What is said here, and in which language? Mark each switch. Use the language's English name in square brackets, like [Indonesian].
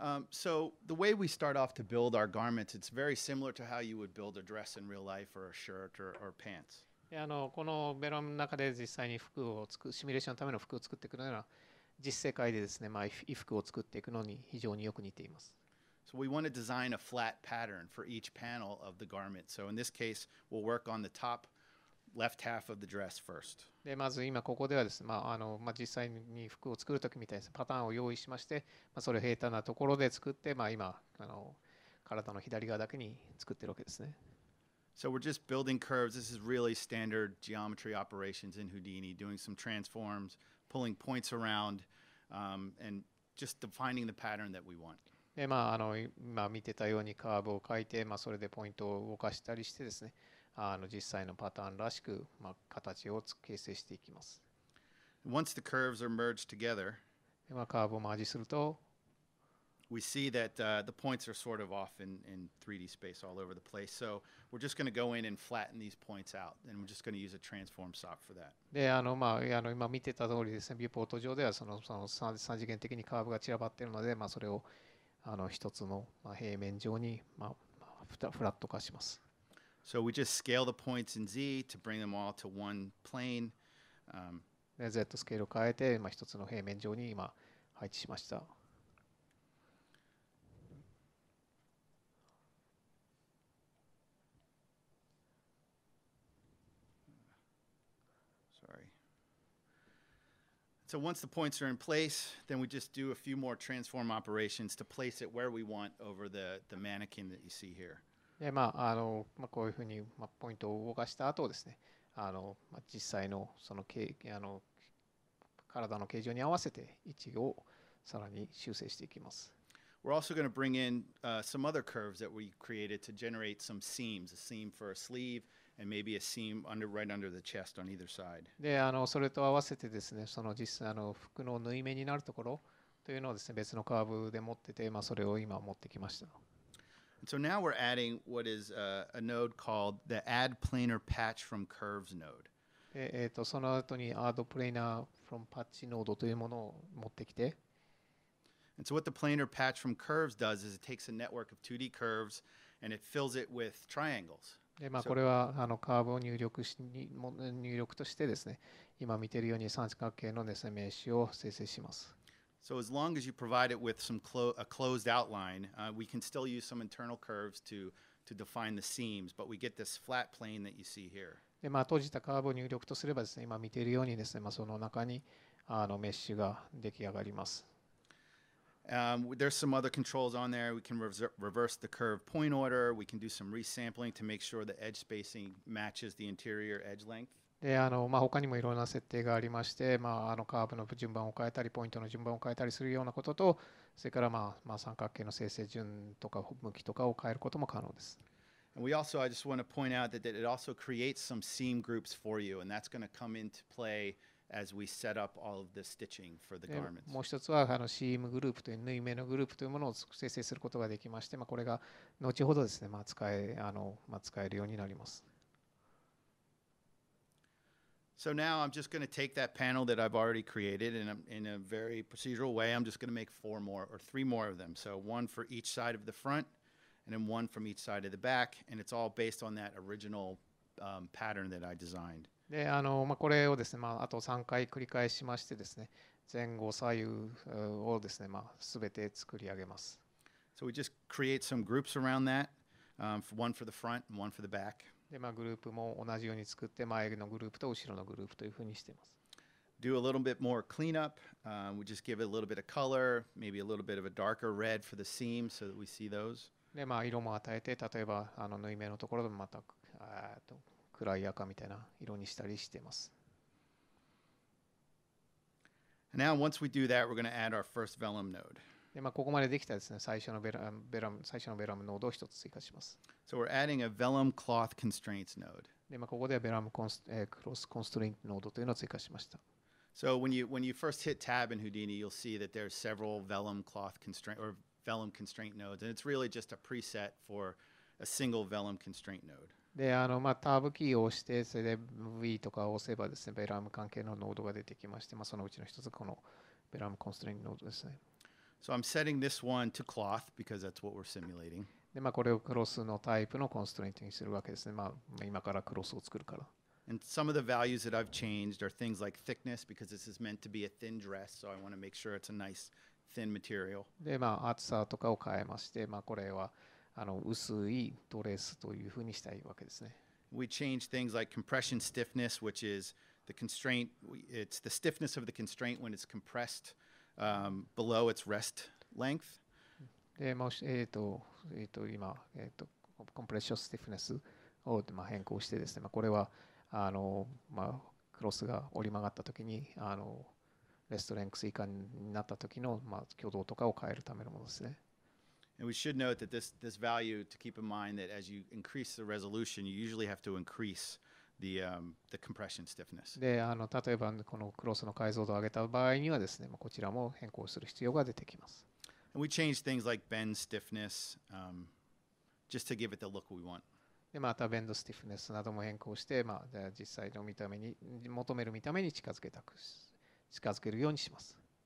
[English] So the way we start off to build our garments, it's very similar to how you would build a dress in real life or a shirt or pants. [Japanese] このベロの中で実際に服を作る、シミュレーションのための服を作っていくのような、実世界でですね、まあ、衣服を作っていくのに非常によく似ています。 [English] So we want to design a flat pattern for each panel of the garment. So in this case, we'll work on the top left half of the dress first. [Japanese] で、まず今ここではですね、まあ、まあ、実際に服を作るときみたいなパターンを用意しまして、まあ、それを平坦なところで作って、まあ、今、体の左側だけに作ってるわけですね。 [English] So we're just building curves. This is really standard geometry operations in Houdini, doing some transforms, pulling points around, and just defining the pattern that we want. [Japanese] で、まあ、今見てたようにカーブを描いて、まあ、それでポイントを動かしたりしてですね、実際のパターンらしく、まあ、形を形成していきます。 [English] Once the curves are merged together, [Japanese] で、まあ、カーブをマージすると、 [English] We see that the points are sort of off in 3D space all over the place. So we're just going to go in and flatten these points out. And we're just going to use a transform sock for that. [Japanese] で、まあ、今見てた通りですね、ビューポート上ではその3次元的にカーブが散らばっているので、まあ、それを一つの平面上に、まあ、フラット化します。 [English] So we just scale the points in Z to bring them all to one plane. [Japanese] で、Z スケールを変えて、まあ、一つの平面上に今配置しました。 [English] So once the points are in place, then we just do a few more transform operations to place it where we want over the mannequin that you see here. [Japanese] で、まあ、まあ、こういうふうに、まあ、ポイントを動かした後ですね、まあ、実際のその形、体の形状に合わせて位置をさらに修正していきます。 [English] We're also going to bring in some other curves that we created to generate some seams, a seam for a sleeve. And maybe a seam under, right under the chest on either side. [Japanese] で、それと合わせてですね、その実際の服の縫い目になるところというのをですね、別のカーブで持ってて、まあ、それを今持ってきました。 [English] And so now we're adding what is a node called the Add Planar Patch from Curves node. [Japanese] で、その後に Add Planar from Patch node というものを持ってきて。 [English] And so what the Planar Patch from Curves does is it takes a network of 2D curves and it fills it with triangles. [Japanese] でまあ、これはカーブを入力としてですね、今見ているように三角形のですね、名刺を生成します。 [English] So as long as you provide it with some a closed outline, we can still use some internal curves to define the seams, but we get this flat plane that you see here. [Japanese] で、まあ、閉じたカーブを入力とすればですね、今見ているようにですね、まあ、その中にメッシュが出来上がります。 [English] There's some other controls on there. We can reverse the curve point order. We can do some resampling to make sure the edge spacing matches the interior edge length. [Japanese] で、まあ、他にもいろんな設定がありまして、まあ、カーブの順番を変えたり、ポイントの順番を変えたりするようなことと、それから、まあ、まあ、三角形の生成順とか向きとかを変えることも可能です。 [English] And we also, I just want to point out that it also creates some seam groups for you, and that's going to come into play. As we set up all of the stitching for the garments. [Japanese] もう一つはシームグループという縫い目のグループというものを生成することができまして、まあ、これが後ほどですね、まあ、使えるようになります。 [English] So now I'm just going to take that panel that I've already created and in a very procedural way, I'm just going to make four more or three more of them. So one for each side of the front and then one from each side of the back, and it's all based on that original, pattern that I designed. [Japanese] で、まあ、これをですね、まあ、あと3回繰り返しましてですね、前後左右をですね、まあ、全て作り上げます。 [English] So we just create some groups around that, one for the front and one for the back. [Japanese] で、まあ、グループも同じように作って、前のグループと後ろのグループというふうにしています。 [English] Do a little bit more cleanup. We just give it a little bit of color, maybe a little bit of a darker red for the seam so that we see those. [Japanese] で、まあ、色も与えて、例えば縫い目のところでもまた、暗い赤みたいな色にしたりしています。 [English] Now, once we do that, we're going to add our first Vellum node. [Japanese] で、まあ、ここまでできたらですね、最初のVellumノードを一つ追加します。 [English] So we're adding a Vellum cloth constraints node. [Japanese] で、まあ、ここではVellumクロスコンストレインノードというのを追加しました。 [English] So when you first hit tab in Houdini, you'll see that there's several Vellum cloth constraint or Vellum constraint nodes, and it's really just a preset for a single Vellum constraint node. [Japanese] で、まあ、タブキーを押して、それで V とかを押せばですね、ベラム関係のノードが出てきまして、まあ、そのうちの一つがこのベラムコンストレインノードですね。 [English] So I'm setting this one to cloth because that's what we're simulating. [Japanese] で、まあ、これをクロスのタイプのコンストレインにするわけですね。まあ、今からクロスを作るから。 [English] And some of the values that I've changed are things like thickness, because this is meant to be a thin dress, so I want to make sure it's a nice thin material. [Japanese] で、まあ、厚さとかを変えまして、まあ、これはあの薄いドレスというふうにしたいわけですね。 [English] We change things like compression stiffness, which is the constraint. It's the stiffness of the constraint when it's compressed below its rest length. [Japanese] で、もし、今、compression stiffness を、まあ、変更してですね、まあ、これはあの、まあ、クロスが折り曲がったときにあのレストレンクス以下になったときの、まあ、挙動とかを変えるためのものですね。 [English] And we should note that this value, to keep in mind that as you increase the resolution, you usually have to increase the compression stiffness. [Japanese] で、あの、例えばこのクロスの解像度を上げた場合にはですね、こちらも変更する必要が出てきます。 [English] And we change things like bend stiffness, just to give it the look we want. [Japanese] で、またベンドスティフネスなども変更して、まあ、実際の見た目に、求める見た目に近づけるようにします。